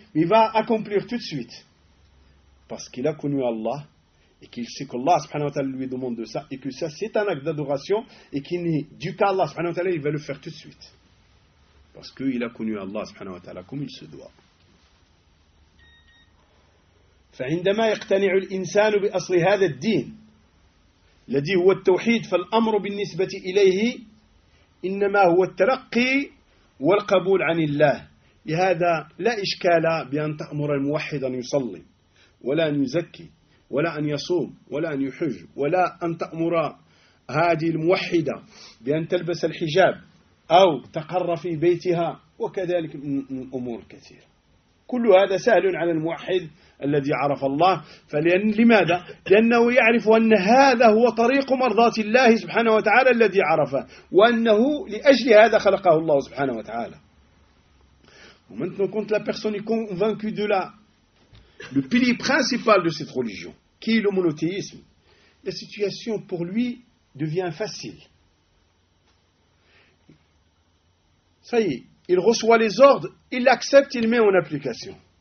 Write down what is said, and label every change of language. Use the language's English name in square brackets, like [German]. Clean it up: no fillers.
[French] Mais il va accomplir tout de suite. Parce qu'il a connu Allah. Et qu'il sait qu'Allah subhanahu wa ta'ala lui demande de ça. Et que ça, c'est un acte d'adoration. Et qu'il n'est du cas Allah subhanahu wa ta'ala, il va le faire tout de suite. Parce qu'il a connu Allah subhanahu wa ta'ala comme il se doit. [Arabic] فعندما يقتنع الإنسان بأصل هذا الدين الذي هو التوحيد فالأمر بالنسبة إليه إنما هو الترقي والقبول عن الله. لهذا لا إشكال بأن تأمر الموحد أن يصلي ولا أن يزكي ولا أن يصوم ولا أن يحج، ولا أن تأمر هذه الموحدة بأن تلبس الحجاب أو تقر في بيتها، وكذلك من أمور كثيرة. كل هذا سهل على الموحد الذي عرف الله. فلأن لماذا؟ لأنه يعرف أن هذا هو طريق مرضات الله سبحانه وتعالى الذي عرفه، وأنه لأجل هذا خلقه الله سبحانه وتعالى. [French] Maintenant, quand la personne est convaincue de le pilier principal de cette religion, qui est le monothéisme, la situation pour lui devient facile. Ça y est, il reçoit les ordres, il l'accepte, il met en application.